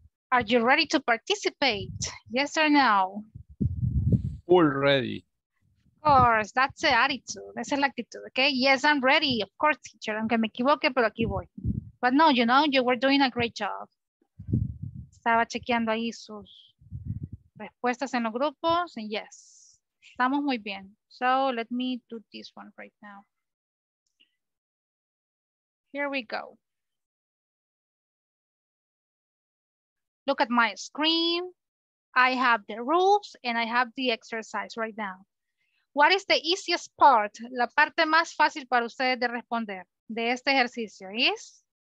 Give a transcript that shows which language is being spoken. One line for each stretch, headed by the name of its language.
English: Are you ready to participate? Yes or no? Full ready. course, that's the attitude.
Spanish: Esa es la actitud,
English: okay? Yes, I'm ready, of course, teacher.
Spanish: Aunque me equivoque, pero aquí voy.
English: But no, you know, you were doing a great job.
Spanish: Estaba chequeando ahí sus respuestas en los grupos.
English: And yes,
Spanish: estamos muy bien.
English: So let me do this one right now. Here we go. Look at my screen. I have the rules and I have the exercise right now. What is the easiest part?
Spanish: La parte más fácil para ustedes de responder de este ejercicio is?